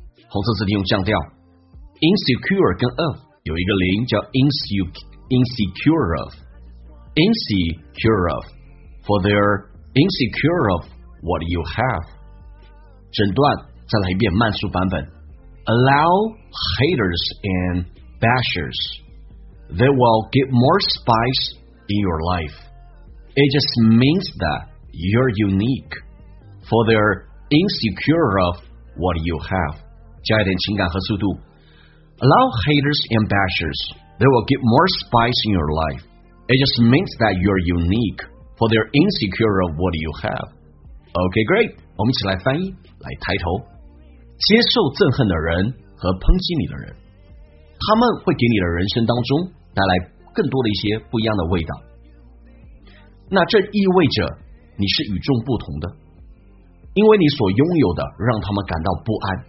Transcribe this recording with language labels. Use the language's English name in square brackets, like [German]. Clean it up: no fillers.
[Chinese] 红色字体用降调。Insecure 跟 of 有一个连音，叫 insecure of. [English] For they're insecure of what you have. [Chinese] 整段再来一遍慢速版本。 [English] Allow haters and bashers. They will get more spice in your life. It just means that you're unique. For they're insecure of what you have. [Chinese] 加一点情感和速度。 Allow haters and bashers. [English] They will get more spice in your life. It just means that you're uniqueFor they're insecure of what you have. Okay, great. [Chinese] 我们一起来翻译，来抬头。接受憎恨的人和抨击你的人，他们会给你的人生当中带来更多的一些不一样的味道。那这意味着你是与众不同的，因为你所拥有的让他们感到不安。